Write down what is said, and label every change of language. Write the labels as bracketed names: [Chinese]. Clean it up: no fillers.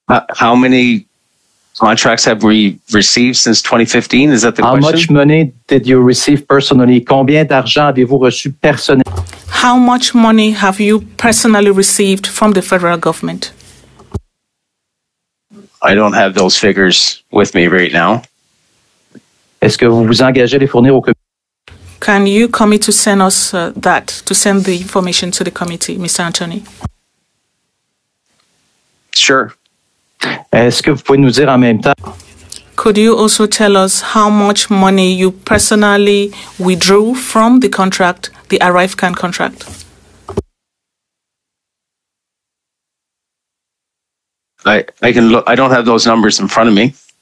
[English] How many contracts have we received since 2015? Is that the question? How much money did you receive personally? [French] Combien d'argent avez-vous reçu personnellement? [English] How much money have you personally received from the federal government? I don't have those figures with me right now. [French] Est-ce que vous vous engagez à les fournir au comité? [English] Can you commit to send us to send the information to the committee, Mr. Anthony? Sure. [French] Est-ce que vous pouvez nous dire en même temps? [English] Could you also tell us how much money you personally withdrew from the contract, the ArriveCan contract? I don't have those numbers in front of me.